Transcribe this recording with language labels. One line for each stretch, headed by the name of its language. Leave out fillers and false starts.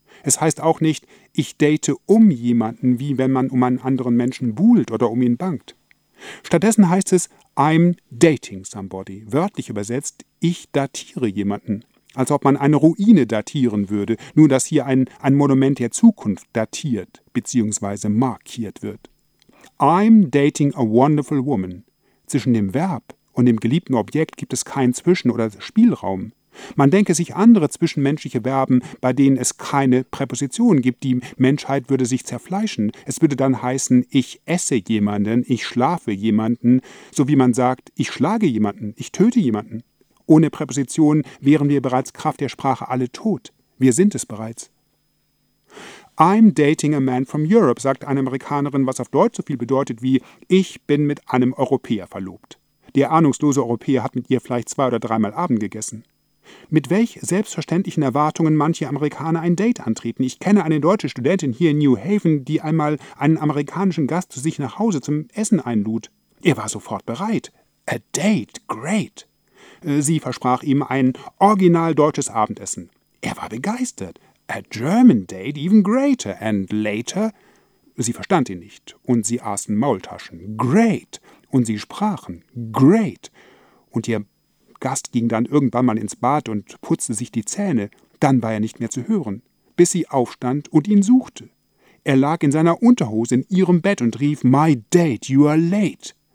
German: Es heißt auch nicht, ich date um jemanden, wie wenn man um einen anderen Menschen buhlt oder um ihn bangt. Stattdessen heißt es
English: I'm dating somebody,
German: wörtlich übersetzt, ich datiere jemanden, als ob man eine Ruine datieren würde, nur dass hier ein Monument der Zukunft datiert bzw. markiert wird.
English: I'm dating a wonderful woman.
German: Zwischen dem Verb und dem geliebten Objekt gibt es keinen Zwischen- oder Spielraum. Man denke sich andere zwischenmenschliche Verben, bei denen es keine Präpositionen gibt. Die Menschheit würde sich zerfleischen. Es würde dann heißen, ich esse jemanden, ich schlafe jemanden, so wie man sagt, ich schlage jemanden, ich töte jemanden. Ohne Präposition wären wir bereits Kraft der Sprache alle tot. Wir sind es bereits.
English: I'm dating a man from Europe,
German: sagt eine Amerikanerin, was auf Deutsch so viel bedeutet wie ich bin mit einem Europäer verlobt. Der ahnungslose Europäer hat mit ihr vielleicht zwei- oder dreimal Abend gegessen. Mit welch selbstverständlichen Erwartungen manche Amerikaner ein Date antreten. Ich kenne eine deutsche Studentin hier in New Haven, die einmal einen amerikanischen Gast zu sich nach Hause zum Essen einlud. Er war sofort bereit.
English: A date, great!
German: Sie versprach ihm ein original deutsches Abendessen. Er war begeistert.
English: A German date, even greater. And later?
German: Sie verstand ihn nicht. Und sie aßen Maultaschen.
English: Great.
German: Und sie sprachen. Great. Und ihr Gast ging dann irgendwann mal ins Bad und putzte sich die Zähne. Dann war er nicht mehr zu hören, bis sie aufstand und ihn suchte. Er lag in seiner Unterhose in ihrem Bett und rief,
English: My date, you are late.